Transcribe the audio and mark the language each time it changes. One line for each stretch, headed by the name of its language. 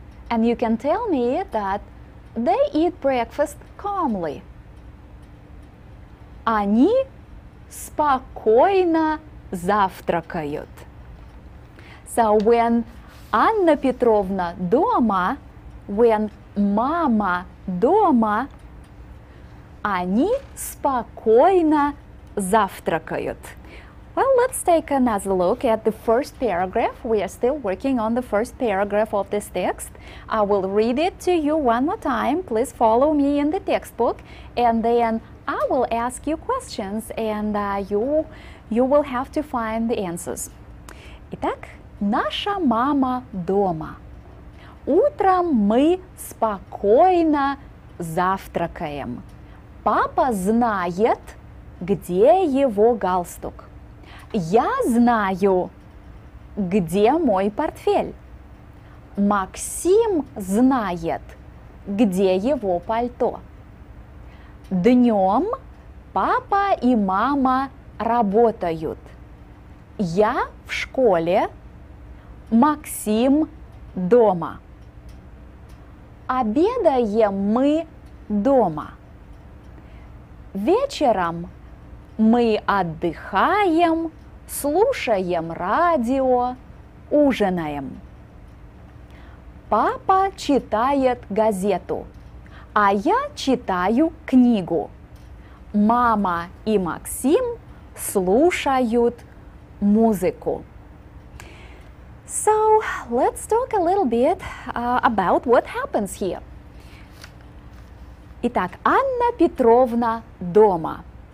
English: And you can tell me that they eat breakfast calmly.
Russian: Они спокойно завтракают.
English: So when
Russian: Анна Петровна дома, when мама дома, они спокойно завтракают.
English: Well, let's take another look at the first paragraph. We are still working on the first paragraph of this text. I will read it to you one more time. Please follow me in the textbook. And then I will ask you questions, and you will have to find the answers.
Russian: Итак, наша мама дома. Утром мы спокойно завтракаем. Папа знает, где его галстук. Я знаю, где мой портфель. Максим знает, где его пальто. Днем папа и мама работают. Я в школе, Максим дома. Обедаем мы дома. Вечером мы отдыхаем, слушаем радио, ужинаем. Папа читает газету, а я читаю книгу. Мама и Максим слушают музыку.
English: So, let's talk a little bit about what happens here.
Russian: Итак, Анна Петровна дома.